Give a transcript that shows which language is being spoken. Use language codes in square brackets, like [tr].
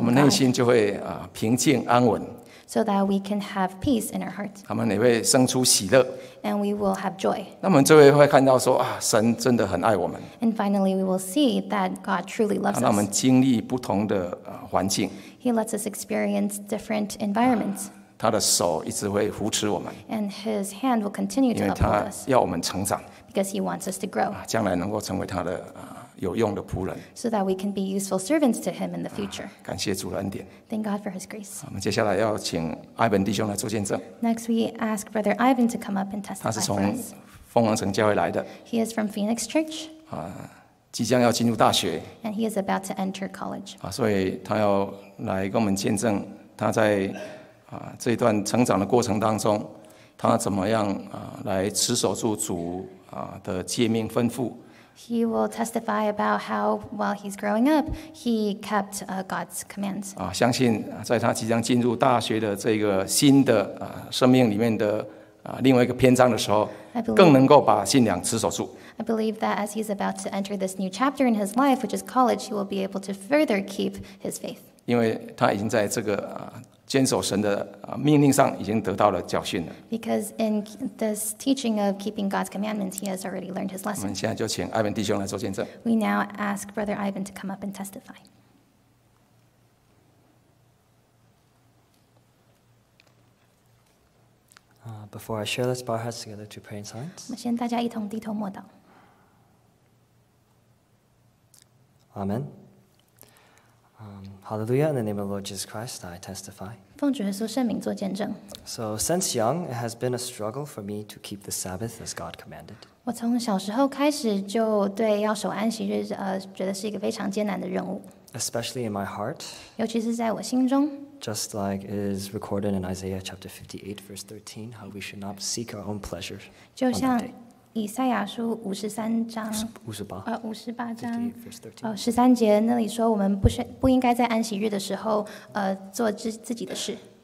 [zh] 我们内心就会平静安稳。 [en] So that we can have peace in our hearts. [zh] 他们也会生出喜乐。 [en] And we will have joy. [zh] 那么最后会看到说神真的很爱我们。 [en] And finally, we will see that God truly loves us. [zh] 让我们经历不同的环境。 [en] He lets us experience different environments. [zh] 他的手一直会扶持我们。 [en] And his hand will continue to uphold us. [zh] 要我们成长。 [en] Because he wants us to grow. [zh] 将来能够成为他的有用的仆人。 [en] So that we can be useful servants to him in the future. [zh] 感谢主的恩典。 [en] Thank God for his grace. [zh] 我们接下来要请 Ivan 弟兄来做见证。 [en] Next, we ask Brother Ivan to come up and testify for us. [zh] 他是从凤凰城教会来的。 [en] He is from Phoenix Church. [zh] 即将要进入大学。 [en] And he is about to enter college. [zh] 所以他要来跟我们见证他在这段成长的过程当中，他怎么样来持守住主的诫命吩咐。 [en] He will testify about how, while he's growing up, he kept God's commands. [zh] 相信在他即将进入大学的这个新的生命里面的另外一个篇章的时候，更能够把信仰持守住。 [en] I believe that as he's about to enter this new chapter in his life, which is college, he will be able to further keep his faith. [zh] 因为他已经在这个坚守神的命令上已经得到了教训了。 [en] Because in this teaching of keeping God's commandments, he has already learned his lesson. [zh] 我们现在就请 Ivan 弟兄来做见证。 [en] We now ask Brother Ivan to come up and testify. 啊 ，Before I share, let's bow our heads together to pray in silence. [zh] 我们先大家一同低头默祷。 [en] Amen. Hallelujah! In the name of the Lord Jesus Christ, I testify. [zh] 奉主耶稣圣名作见证。 [en] So since young, it has been a struggle for me to keep the Sabbath as God commanded. [zh] 我从小时候开始就对要守安息日觉得是一个非常艰难的任务。 [en] Especially in my heart. [zh] 尤其是在我心中。 [en] Just like it is recorded in Isaiah chapter 58, verse 13, how we should not seek our own pleasure. [zh] 就像以赛亚书五十三章，五十八，五十八章，十三节那里说，我们不应该在安息日的时候，做自己的事。